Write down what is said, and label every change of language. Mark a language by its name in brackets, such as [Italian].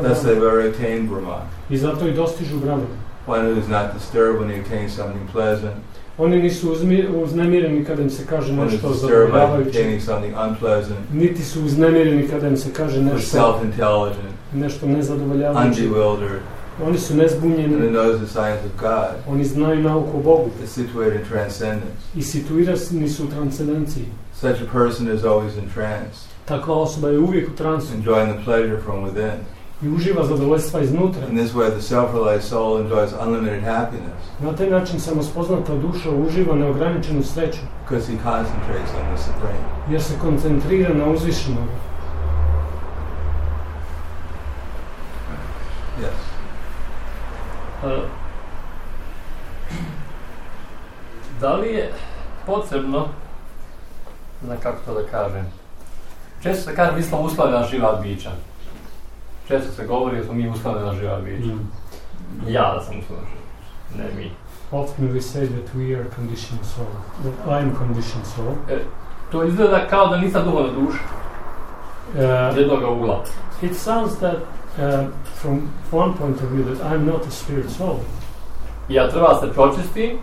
[English] Brahman. Thus they've already attained Brahman. [Croatian] I zato i dostižu Brahman. [English] One who is not disturbed when he attains something pleasant. [Croatian] Oni nisu uznemireni kada im se kaže nešto zadovoljavajuće. Niti su uznemireni kada im se kaže nešto [English] self-intelligent. [Croatian] Nešto nezadovoljavajuće. [English] Unbewildered. [Croatian] Oni su nezbunjeni. [English] Who knows the science of God. [Croatian] Oni znaju nauku o Bogu. [English] They're situated in transcendence. [Croatian] I situirani su u transcendenciji. [English] Such a person is always in trance. [Croatian] Takva osoba je uvijek u transu. [English] Enjoying the pleasure from within. [Croatian] I uživa zadovoljstva iznutra. [English] In this way the self-realized soul enjoys unlimited happiness. [Croatian] Na taj način samospoznata duša uživa neograničenu sreću. [English] Because he concentrates on the supreme. [Croatian] Jer se koncentrira na uzvišenog. [English] Yes. [Croatian] Da li je potrebno, na kako to da kažem, često se kaže mi smo uslovljena živa bića. Često se govori da smo mi uslovljena živa bića. Mm. Ja da sam uslovljena, ne mi. [English] Often we say that we are conditioned soul, that I am conditioned soul. [Croatian] To izgleda kao da nisam duhovna duša. Jednog ugla. [English] It sounds that from one point of view that I'm not a spirit soul. [Croatian] Ja treba se pročistim.